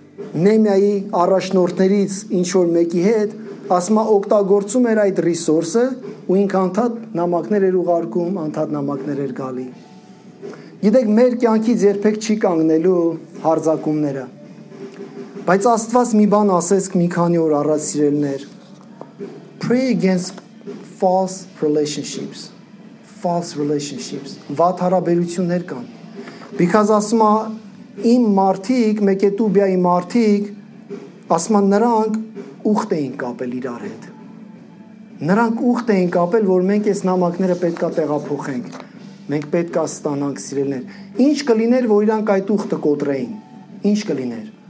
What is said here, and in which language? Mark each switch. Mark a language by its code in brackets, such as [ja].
[hy] Նեհեմիայի առաջնորդներից ինչ որ մեկի հետ, ասմա օգտագործում էր այդ ռեսուրսը ու ինքնանթատ նամակներ էր ուղարկում, անթատ նամակներ էր գալի։ Գիտեք, մեր կյանքից երբեք չի կանգնելու հարձակումները։ Բայց Աստված մի բան ասեց մի քանի օր առաջ, սիրելիներ. [en] Pray against false relationships. False relationships. [hy] Վատ հարաբերություններ կան։ Because ասում է իմ մարդիկ, Մեկետուբիայի մարդիկ, ասում են նրանք ուխտ էին կապել իրար հետ։ Նրանք ուխտ էին կապել, որ մենք այս նամակները պետքա տեղափոխենք, մենք պետքա ստանանք, սիրելիներ։ Ինչ կլիներ, որ իրանք այդ ուխտը կոտրեին, ինչ կլիներ։